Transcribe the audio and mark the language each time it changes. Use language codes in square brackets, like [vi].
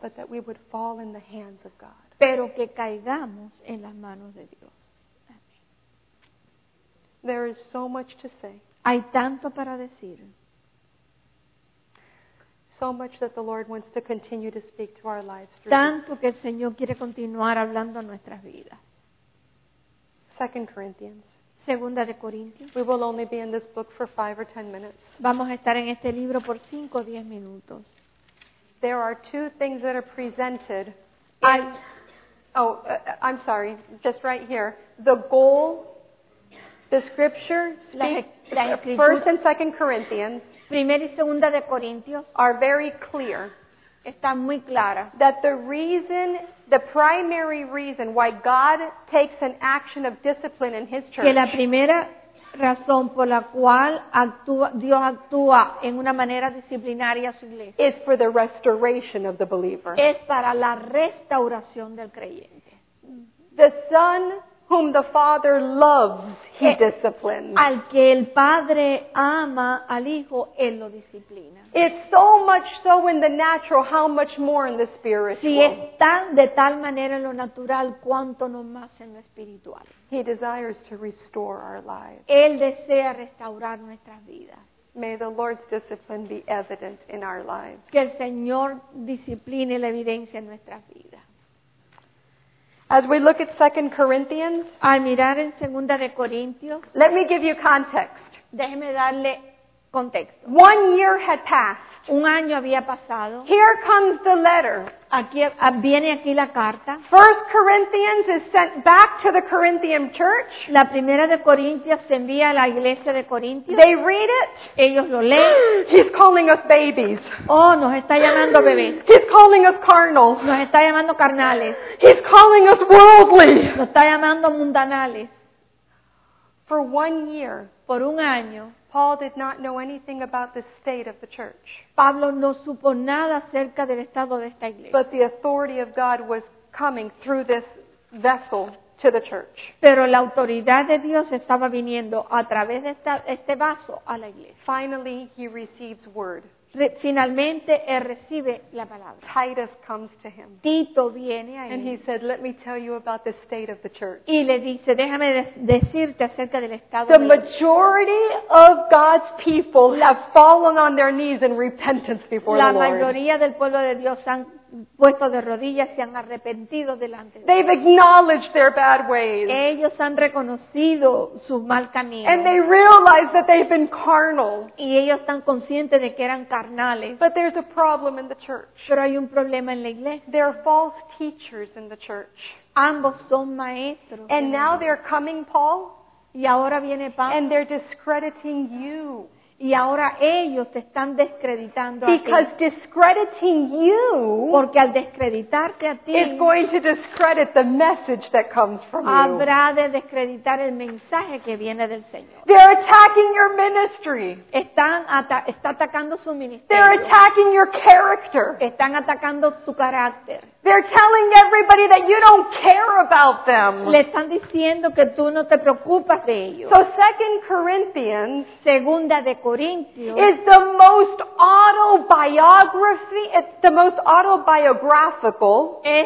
[en] But that we would fall in the hands of God. [es] Pero que caigamos en las manos de Dios. [en] Amén. There is so much to say. [es] Hay tanto para decir. [en] So much that the Lord wants to continue to speak to our lives. [es] Tanto que el Señor quiere continuar hablando a nuestras vidas. [en] 2 Corinthians. [es] Segunda de Corintios. [en] We will only be in this book for 5 or 10 minutes. [es] Vamos a estar en este libro por 5 o 10 minutos. [en] There are two things that are presented. I'm sorry, just right here. The goal, the scripture, [es] la escritura, [en] 1 and 2 Corinthians, [es] Primera y Segunda de Corintios, [en] are very clear. [es] Está muy clara. [en] That the reason, the primary reason why God takes an action of discipline in His church. [es] Que la primera razón por la cual Dios actúa en una manera disciplinaria a su iglesia. [en] Is for the restoration of the believer. [es] Es para la restauración del creyente. [en] The son whom the father loves, he disciplines. [es] Al que el padre ama al hijo, él lo disciplina. [en] It's so much so in the natural, how much more in the spiritual. [es] Si es tan de tal manera en lo natural, cuánto no más en lo espiritual. [en] He desires to restore our lives. [es] Él desea restaurar nuestras vidas. [en] May the Lord's discipline be evident in our lives. [es] Que el Señor discipline la evidencia en nuestras vidas. [en] As we look at 2 Corinthians, [es] al mirar en Segunda de Corintios, [en] let me give you context. [es] Déjeme darle contexto. [en] 1 year had passed. [es] Un año había pasado. [en] Here comes the letter. [es] Viene aquí la carta. [en] 1 Corinthians is sent back to the Corinthian church. [es] La primera de Corintios se envía a la iglesia de Corintios. [en] They read it. [es] Ellos lo leen. [en] He's calling us babies. [es] Oh, nos está llamando bebés. [en] He's calling us carnal. [es] Nos está llamando carnales. [en] He's calling us worldly. [es] Nos está llamando mundanales. [en] For 1 year. [es] Por un año. [en] Paul did not know anything about the state of the church. [es] Pablo no supo nada acerca del estado de esta iglesia. [en] But the authority of God was coming through this vessel to the church. [es] Pero la autoridad de Dios estaba viniendo a través de este vaso a la iglesia. [en] Finally, he receives word. [es] Finalmente, él recibe la palabra. [en] Titus comes to him. [es] Tito viene a él. [en] And he said, "Let me tell you about the state of the church." [es] Y le dice, déjame decirte acerca del estado de la iglesia. [en] The majority of God's people have fallen on their knees in repentance before the Lord. [es] La mayoría del pueblo de Dios han puesto de rodillas y han arrepentido delante de Dios. [en] They've acknowledged their bad ways. [es] Ellos han reconocido su mal camino. [en] And they realize that they've been carnal. [es] Y ellos están conscientes de que eran carnales. [en] But there's a problem in the church. [es] Pero hay un problema en la iglesia. [en] There are false teachers in the church. [es] Ambos son maestros. [en] And now they're coming, Paul. [es] Y ahora viene Pablo. [en] And they're discrediting you. [es] Y ahora ellos te están descreditando a ti. [en] Because discrediting you, [es] porque al descreditarte a ti, [en] is going to discredit the message that comes from you. [es] Habrá de descreditar el mensaje que viene del Señor. [en] They're attacking your ministry. [es] Está atacando su ministerio. [en] They're attacking your character. [es] Están atacando tu carácter. [en] They're telling everybody that you don't care about them. [es] Le están diciendo que tú no te preocupas de ellos. [en] So 2 Corinthians, [es] Segunda de Corintios, [en] is the most autobiography, it's the most autobiographical.